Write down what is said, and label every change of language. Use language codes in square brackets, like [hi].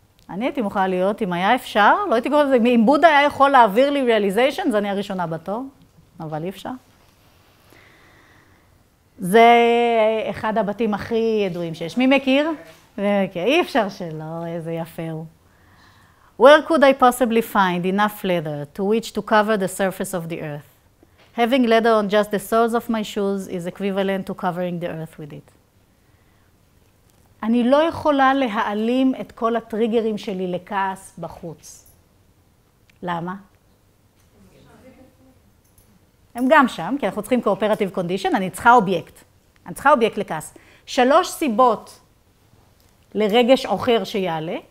[he] אני הייתי מוכנה להיות, אם היה אפשר, לא הייתי קוראת את זה, אם בודה היה יכול להעביר לי ריאליזיישן, זה אני הראשונה בתור, אבל אי אפשר. זה אחד הבתים הכי ידועים שיש. מי מכיר? אי אפשר שלא, איזה יפה הוא. [en] Where could I possibly find enough leather to which to cover the surface of the earth? Having leather on just the soles of my shoes is equivalent to covering the earth with it. [he] אני לא יכולה להעלים את כל הטריגרים שלי לכעס בחוץ. למה? הם גם שם, כי אנחנו צריכים cooperative condition, אני צריכה אובייקט. אני צריכה אובייקט לכעס. שלוש סיבות לרגש אחר שיעלה.